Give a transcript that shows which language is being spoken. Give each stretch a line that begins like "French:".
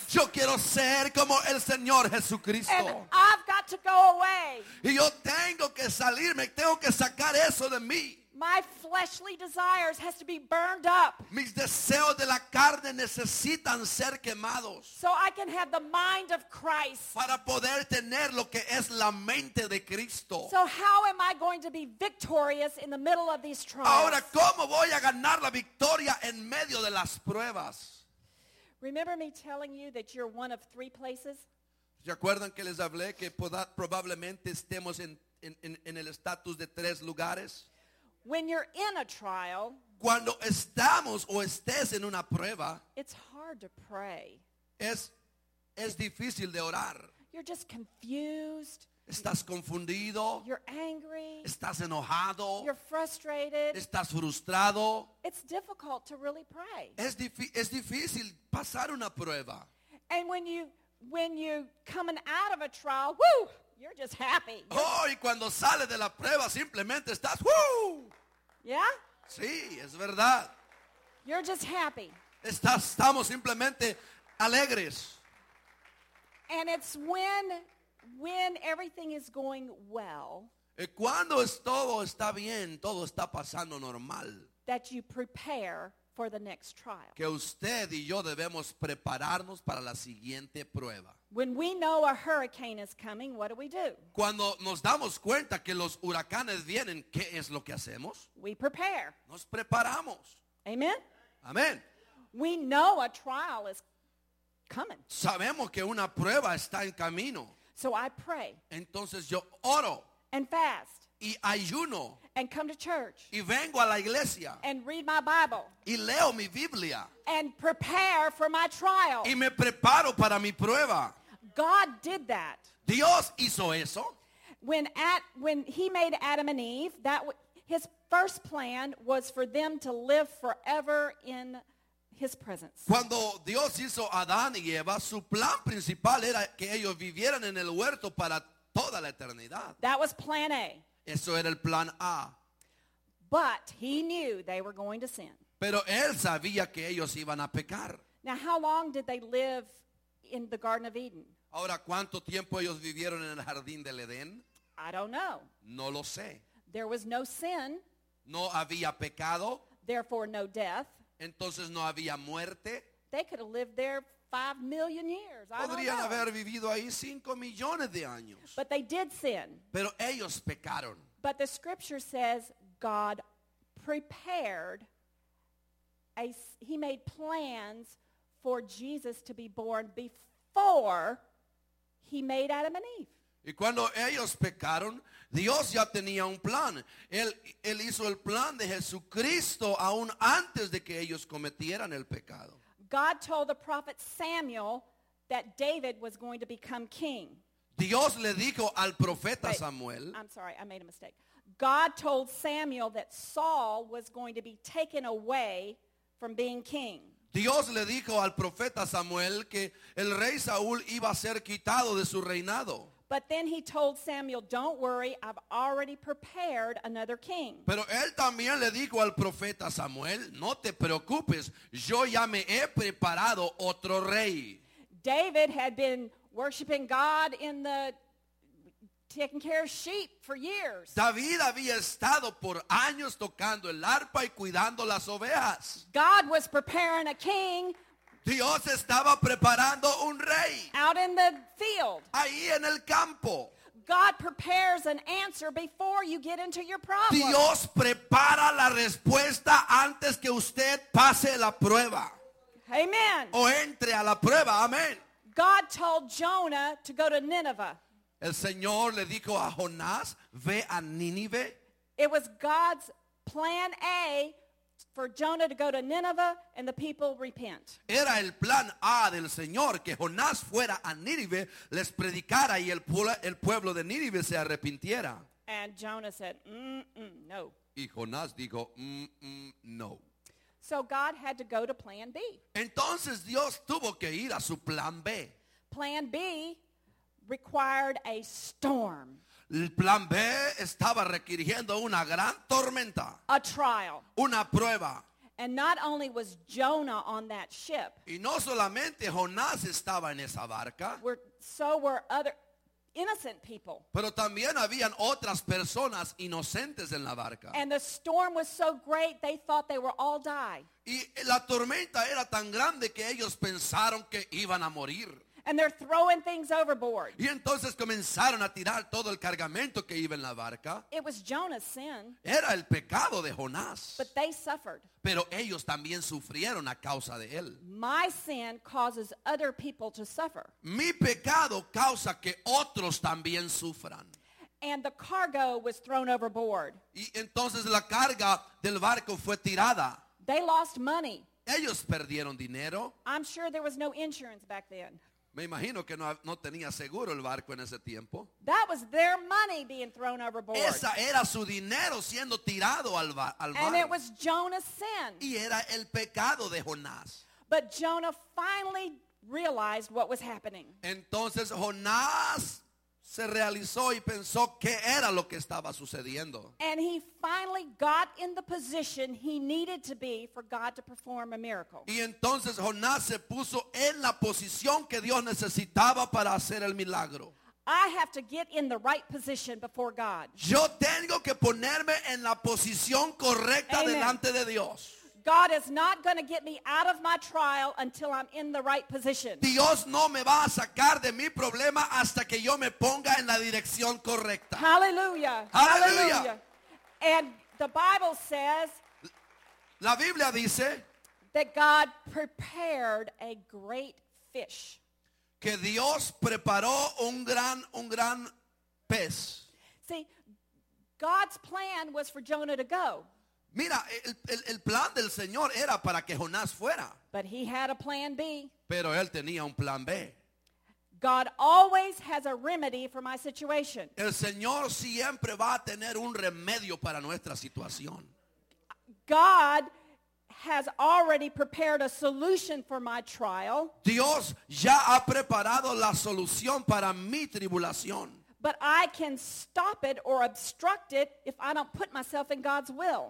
Spanish: Yo quiero ser como el Señor Jesucristo.
English: And I've got to go away.
Spanish: Y yo tengo que salirme, tengo que sacar eso de mí.
English: My fleshly desires has to be burned up.
Spanish: Mis deseos de la carne necesitan ser quemados.
English: So I can have the mind of Christ.
Spanish: Para poder tener lo que es la mente de Cristo.
English: So how am I going to be victorious in the middle of these trials?
Spanish: Ahora, ¿cómo voy a ganar la victoria en medio de las pruebas?
English: Remember me telling you that you're one of three places?
Spanish: ¿Se acuerdan que les hablé que probablemente estemos en el estatus de tres lugares?
English: When you're in a trial,
Spanish: cuando estamos o estés en una prueba,
English: it's hard to pray.
Spanish: Es difícil de orar.
English: You're just confused.
Spanish: Estás confundido.
English: You're angry.
Spanish: Estás enojado.
English: You're frustrated.
Spanish: Estás frustrado.
English: It's difficult to really pray.
Spanish: Es difícil pasar una prueba.
English: And when you coming out of a trial, woo! You're just happy.
Spanish: Oh, y cuando sale de la prueba simplemente estás woo.
English: Yeah?
Spanish: Sí, es verdad.
English: You're just happy.
Spanish: Estamos simplemente alegres.
English: And it's when everything is going well.
Spanish: Y cuando todo está bien, todo está pasando normal.
English: That you prepare for the next trial.
Spanish: Que usted y yo debemos prepararnos para la siguiente prueba.
English: When we know a hurricane is coming, what do?
Spanish: Cuando nos damos cuenta que los huracanes vienen, ¿qué es lo que hacemos?
English: We prepare.
Spanish: Nos preparamos.
English: Amen.
Spanish: Amen.
English: We know a trial is coming.
Spanish: Sabemos que una prueba está en camino.
English: So I pray.
Spanish: Entonces yo oro.
English: And fast.
Spanish: Y ayuno.
English: And come to church.
Spanish: Y vengo a la iglesia.
English: And read my Bible.
Spanish: Y leo mi Biblia.
English: And prepare for my trial.
Spanish: Y me preparo para mi prueba.
English: God did that.
Spanish: Dios hizo eso.
English: When he made Adam and Eve, that his first plan was for them to live forever in his presence.
Spanish: Cuando Dios hizo a Adán y Eva, su plan principal era que ellos vivieran en el huerto para toda la eternidad.
English: That was plan A.
Spanish: Eso era el plan A.
English: But he knew they were going to sin.
Spanish: Pero él sabía que ellos iban a pecar.
English: Now, how long did they live in the Garden of Eden?
Spanish: Ahora, ¿cuánto tiempo ellos vivieron en el jardín del Edén?
English: I don't know.
Spanish: No lo sé.
English: There was no sin.
Spanish: No había pecado.
English: Therefore, no death.
Spanish: Entonces, no había muerte.
English: They could have lived there 5 million years.
Spanish: Podrían haber vivido ahí 5 millones de años.
English: But they did sin.
Spanish: Pero ellos pecaron.
English: But the scripture says God prepared. He made plans for Jesus to be born before he made Adam and Eve.
Spanish: Y cuando ellos pecaron, Dios ya tenía un plan. Él hizo el plan de Jesucristo aún antes de que ellos cometieran el pecado.
English: God told the prophet Samuel that David was going to become king.
Spanish: Dios le dijo al profeta Samuel.
English: I'm sorry, I made a mistake. God told Samuel that Saul was going to be taken away from being king.
Spanish: Dios le dijo al profeta Samuel que el rey Saúl iba a ser quitado de su reinado.
English: But then he told Samuel, "Don't worry, I've already prepared another king."
Spanish: Pero él también le dijo al profeta Samuel, "No te preocupes, yo ya me he preparado otro rey."
English: David had been worshiping God in the taking care of sheep for years.
Spanish: David había estado por años tocando el arpa y cuidando las ovejas.
English: God was preparing a king.
Spanish: Dios estaba preparando un rey.
English: Out in the field.
Spanish: Ahí en el campo.
English: God prepares an answer before you get into your problem.
Spanish: Dios prepara la respuesta antes que usted pase la prueba.
English: Amen.
Spanish: O entre a la prueba. Amen.
English: God told Jonah to go to Nineveh.
Spanish: El Señor le dijo a Jonás, ve a Nínive.
English: It was God's plan A for Jonah to go to Nineveh and the people repent.
Spanish: Era el plan A del Señor que Jonás fuera a Nínive, les predicara y el pueblo de Nínive se arrepintiera.
English: And Jonah said, no.
Spanish: Y Jonás dijo, no.
English: So God had to go to plan B.
Spanish: Entonces Dios tuvo que ir a su plan B.
English: Plan B required a storm.
Spanish: El plan B estaba requiriendo una gran tormenta.
English: A trial.
Spanish: Una prueba.
English: And not only was Jonah on that ship.
Spanish: Y no solamente Jonás estaba en esa barca.
English: So were other innocent people.
Spanish: Pero también habían otras personas inocentes en la barca.
English: And the storm was so great they thought they were all die.
Spanish: Y la tormenta era tan grande que ellos pensaron que iban a morir.
English: And they're throwing things overboard.
Spanish: Y entonces comenzaron a tirar todo el cargamento que iba en la barca.
English: It was Jonah's sin.
Spanish: Era el pecado de Jonás.
English: But they suffered.
Spanish: Pero ellos también sufrieron a causa de él.
English: My sin causes other people to suffer.
Spanish: Mi pecado causa que otros también sufran.
English: And the cargo was thrown overboard.
Spanish: Y entonces la carga del barco fue tirada.
English: They lost money.
Spanish: Ellos perdieron dinero.
English: I'm sure there was no insurance back then.
Spanish: Me imagino que no tenía seguro el barco en ese tiempo.
English: That was their money being thrown overboard.
Spanish: Esa era su dinero siendo tirado al barco.
English: And it was Jonah's sin.
Spanish: Y era el pecado de Jonás.
English: But Jonah finally realized what was happening.
Spanish: Entonces Jonás se realizó y pensó qué era lo que estaba sucediendo.
English: And he finally got in the position he needed to be for God to perform a miracle.
Spanish: Y entonces Jonás se puso en la posición que Dios necesitaba para hacer el milagro.
English: I have to get in the right position before God.
Spanish: Yo tengo que ponerme en la posición correcta.
English: Amen.
Spanish: Delante de Dios.
English: God is not going to get me out of my trial until I'm in the right position.
Spanish: Dios no me va a sacar de mi problema hasta que yo me ponga en la dirección correcta.
English: Hallelujah.
Spanish: Hallelujah.
English: And the Bible says,
Spanish: la Biblia dice,
English: that God prepared a great fish.
Spanish: Que Dios preparó un gran pez.
English: See, God's plan was for Jonah to go.
Spanish: Mira, el plan del Señor era para que Jonás fuera.
English: But he had a plan B.
Spanish: Pero él tenía un plan B.
English: God always has a remedy for my situation.
Spanish: El Señor siempre va a tener un remedio para nuestra situación.
English: God has already prepared a solution for my trial.
Spanish: Dios ya ha preparado la solución para mi tribulación.
English: But I can stop it or obstruct it if I don't put myself in God's will.